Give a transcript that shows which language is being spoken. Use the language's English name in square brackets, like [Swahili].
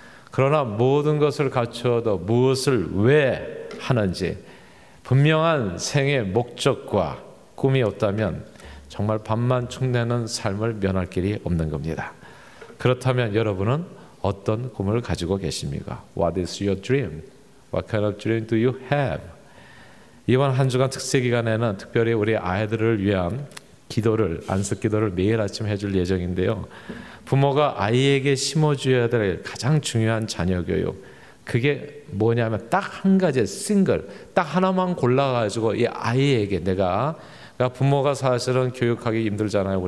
[Korean] 그러나 모든 것을 갖추어도 무엇을 왜 하는지 분명한 생의 목적과 꿈이 없다면 정말 밥만 축내는 삶을 면할 길이 없는 겁니다. 그렇다면 여러분은 어떤 꿈을 가지고 계십니까? [English] What is your dream? What kind of dream do you have? [Korean] 이번 한 주간 특세 기간에는 특별히 우리 아이들을 위한 기도를, 안식 기도를 매일 아침 해줄 예정인데요. 부모가 아이에게 심어줘야 될 가장 중요한 자녀 교육, 그게 뭐냐면 딱 한 가지 싱글, 딱 하나만 골라가지고 이 아이에게 내가, 그러니까 부모가 사실은 교육하기 힘들잖아요.